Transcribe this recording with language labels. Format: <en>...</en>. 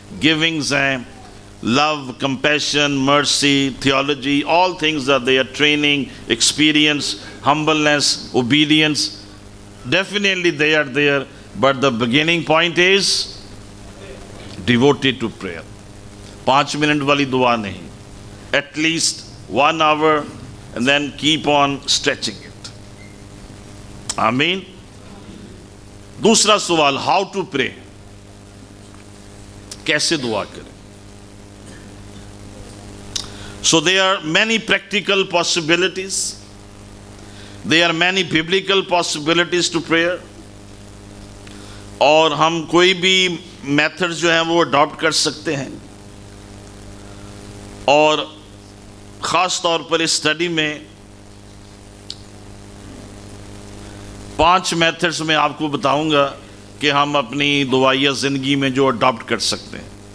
<en>Givings ہیں, love, compassion, mercy, theology, all things are there, training, experience, humbleness, obedience, definitely they are there. But the beginning point is devoted to prayer. 5 minute</en> <ur>wali dua nahi,</ur> <en>at least 1 hour, and then keep on stretching it. Ameen.</en> <ur>Dusra sawal,</ur> <en>how to pray,</en> <ur>kaise dua kare.</ur> <en>So there are many practical possibilities, there are many biblical possibilities to prayer.</en> <ur>اور ہم کوئی بھی method جو ہیں وہ adapt کر سکتے ہیں. اور خاص طور پر اس سٹڈی میں 5 میتھڈز میں آپ کو بتاؤں گا کہ ہم اپنی دعائیہ زندگی میں جو اڈاپٹ کر سکتے ہیں.</ur>